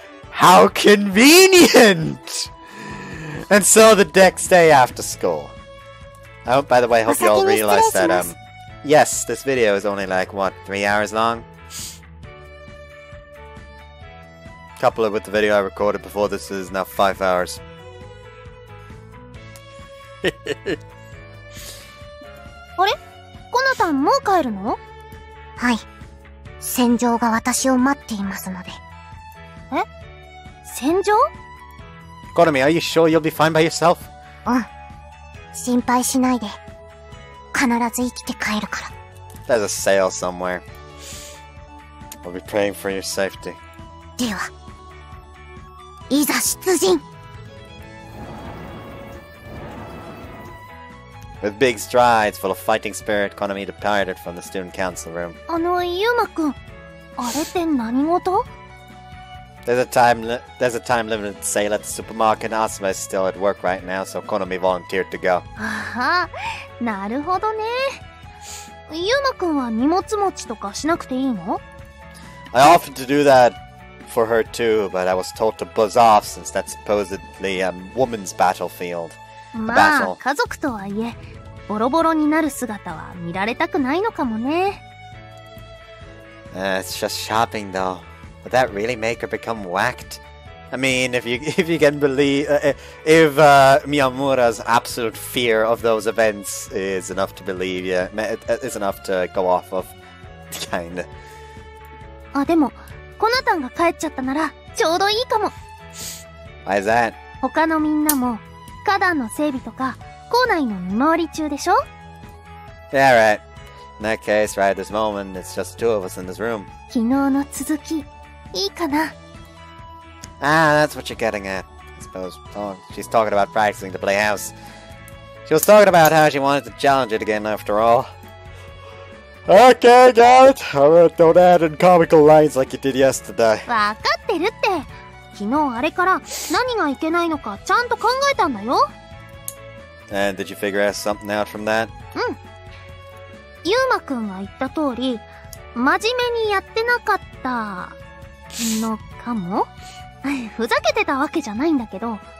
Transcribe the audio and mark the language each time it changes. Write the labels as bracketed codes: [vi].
[en] How convenient! And so the next day after school. Oh, by the way, hope you all realized that, yes, this video is only like, what, 3 hours long? Couple it with the video I recorded before this is now 5 hours. [ja] あれ、コナタンもう帰るの？はい、戦場が私を待っていますので。え、戦場？ [en] コナミ、are you sure you'll be fine by yourself? [ja] うん、心配しないで、必ず生きて帰るから。 [en] There's a sail somewhere. I'll be praying for your safety. [ja] では、いざ出陣。 [en] With big strides, full of fighting spirit, Konami departed from the student council room. [ja] あの、ユマくん、あれって何事？ [en] There's a time limited sale at the supermarket, and Asuma is still at work right now, so Konami volunteered to go. [ja] ああ、なるほどね。ユマくんは荷物持ちとかしなくていいの？ [en] I offered to do that for her too, but I was told to buzz off since that's supposedly a woman's battlefield. [ja] まあ、家族とはいえ、ボロボロになる姿は見られたくないのかもね。 [en] It's just shopping though. Would that really make her become whacked? I mean, if you can believe, if Miyamura's absolute fear of those events is enough to believe, yeah, is enough to go off of, kind of. [ja] あ、でも、コナタンが帰っちゃったならちょうどいいかも。 [en] Why is that? [ja] 他のみんなも、花壇の整備とか校内の見回り中でしょ。 [en] Yeah, right. In that case, right this moment, it's just two of us in this room. [ja] 昨日の続き、いいかな。 [en] Ah, that's what you're getting at. I suppose. Oh, she's talking about practicing to play house. She was talking about how she wanted to challenge it again after all. Okay, Dad. Don't add in comical lines like you did yesterday. [ja] わかってるって。昨日あれから何がいけないのかちゃんと考えたんだよ。 [en] And did you figure something out from that? [ja] うん、ユーマくんが言った通り真面目にやってなかったのかも。ふざけてたわけじゃないんだけど。